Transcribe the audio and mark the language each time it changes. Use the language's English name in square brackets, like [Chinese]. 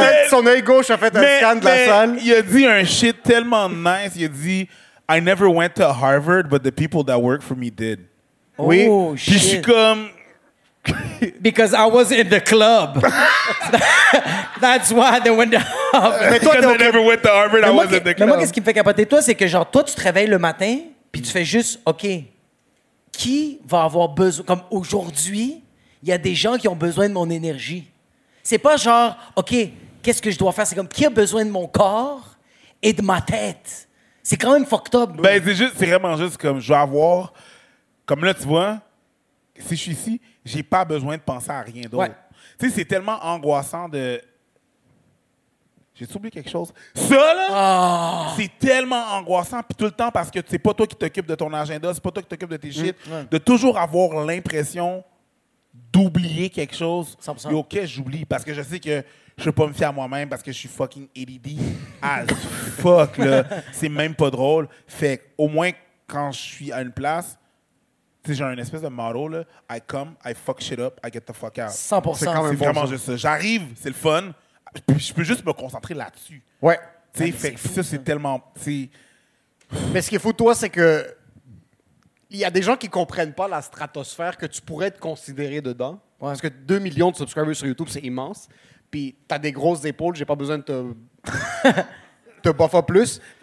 [French] Son œil gauche a fait un scan de la salle. Il a dit un shit tellement nice. Il a dit, [English] I never went to Harvard, but the people that worked for me did. [French] Oh, oui. Puis je suis comme. [English] Because I was in the club. That's why they went to Harvard. [French] Mais toi, [English] because I never went to Harvard, I was in the club. [French] Mais moi, qu'est-ce qui me fait capoter, toi, c'est que genre, toi, tu te réveilles le matin. Puis tu fais juste, OK, qui va avoir besoin... Comme aujourd'hui, il y a des gens qui ont besoin de mon énergie. C'est pas genre, OK, qu'est-ce que je dois faire? C'est comme, qui a besoin de mon corps et de ma tête? C'est quand même fucked up. Ben, c'est juste, c'est vraiment juste comme, je vais avoir... Comme là, tu vois, si je suis ici, j'ai pas besoin de penser à rien d'autre. Ouais. Tu sais, c'est tellement angoissant de... J'ai oublié quelque chose. Ça, là, c'est tellement angoissant. Puis tout le temps, parce que c'est pas toi qui t'occupes de ton agenda, c'est pas toi qui t'occupes de tes shit. Mmh. De toujours avoir l'impression d'oublier quelque chose. 100%. Et OK, j'oublie. Parce que je sais que je peux pas me fier à moi-même parce que je suis fucking ADD. [English] As fuck, [French] là. C'est même pas drôle. Fait au moins, quand je suis à une place, tu sais, j'ai un espèce de motto, là. [English] I come, I fuck shit up, I get the fuck out. [French] 100%. C'est, quand même c'est bon vraiment ça. Juste ça. J'arrive, c'est le fun. Je peux juste me concentrer là-dessus. Ouais. Tu sais, fait c'est fou, ça, c'est ça. Tellement. T'sais... Mais ce qui est fou, toi, c'est que. Il y a des gens qui ne comprennent pas la stratosphère que tu pourrais te considérer dedans. Ouais. Parce que 2 millions de subscribers sur YouTube, c'est immense. Puis, tu as des grosses épaules, j'ai pas besoin de te. te buffer plus.